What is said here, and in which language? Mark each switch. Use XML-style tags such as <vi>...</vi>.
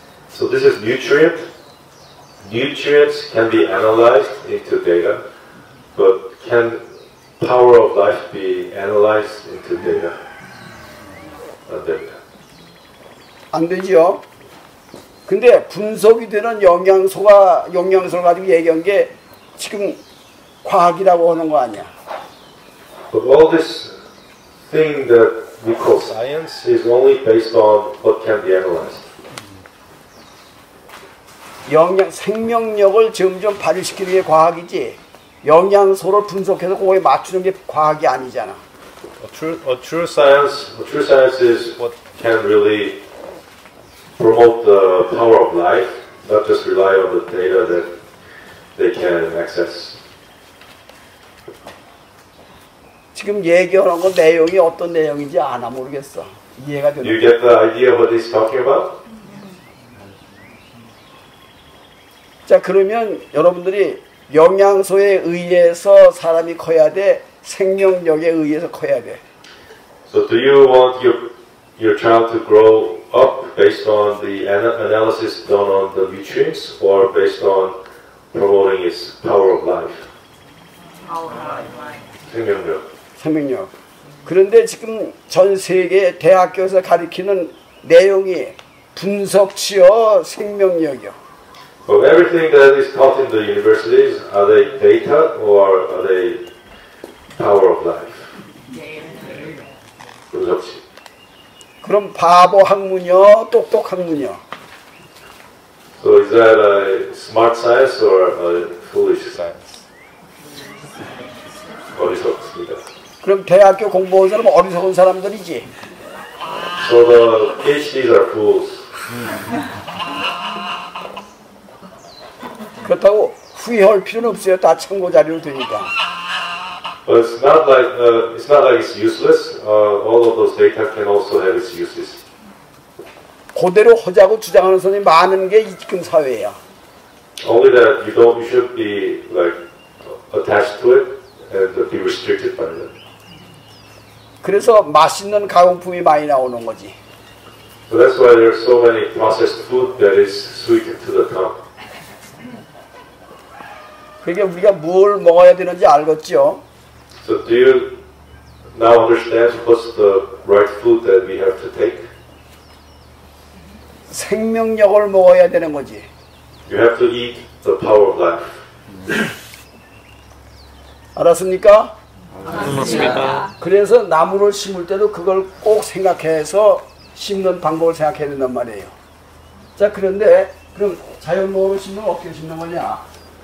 <en>So this is nutrient. Nutrients can be analyzed into data, but can power of life be analyzed into data?</en> <ko>Data. 안 되지요. 근데 분석이 되는 영양소를 가지고 얘기한 게 지금 과학이라고 하는 거 아니야?</ko> <en>But all this thing that we call science is only based on what can be analyzed.</en> <ko>영양 생명력을 점점 발휘시키는 게 과학이지 영양소를 분석해서 거기에 맞추는 게 과학이 아니잖아.</ko> <en>A true science is what can really promote the power of life, not just rely on the data that they can access.</en> <ko>지금 얘기하는 거 내용이 어떤 내용인지 아나 모르겠어. 이해가 되나?</ko> <en>You get the idea of what he's talking about?</en> <ko>자 그러면 여러분들이 영양소에 의해서 사람이 커야 돼 생명력에 의해서 커야 돼.</ko> <en>So do you want your child to grow up based on the analysis done on the nutrients or based on promoting its power of life? Power of life.</en> <ko>생명력. 그런데 지금 전 세계 대학교에서 가르치는 내용이 분석치어 생명력이요.</ko> <en>Of everything that is taught in the universities, are they data or are they power of life?</en> <ko>그렇지. 그럼 바보 학문이요, 똑똑 학문이요.</ko> <en>So is that a smart science or a foolish science?</en> <ko>어리석습니다. 그럼 대학교 공부한 사람은 어리석은 사람들이지.</ko> <en>So the PhDs are fools.</en> <ko>그렇다고 후회할 필요는 없어요. 다 참고 자료를 드니까.</ko> <en>But it's not like it's not like it's useless. All of those data can also have its uses.</en> <ko>그대로 허자고 주장하는 사람이 많은 게 지금 사회야.</ko> <en>Only that you don't, you should be like attached to it and be restricted by it.</en> <ko>그래서 맛있는 가공품이 많이 나오는 거지.</ko> <en>So that's why there are so many processed food that is sweet to the tongue.</en> <ko>그게 우리가 뭘 먹어야 되는지 알겠죠?</ko> <en>So do you now understand what's the right food that we have to take?</en> <ko>생명력을 먹어야 되는 거지.</ko> <en>You have to eat the power of life.</en> <ko>알았습니까? 알았습니다. 그래서 나무를 심을 때도 그걸 꼭 생각해서 심는 방법을 생각해야 된단 말이에요. 자, 그런데 그럼 자연목으로 심으면 어떻게 심는 거냐?</ko>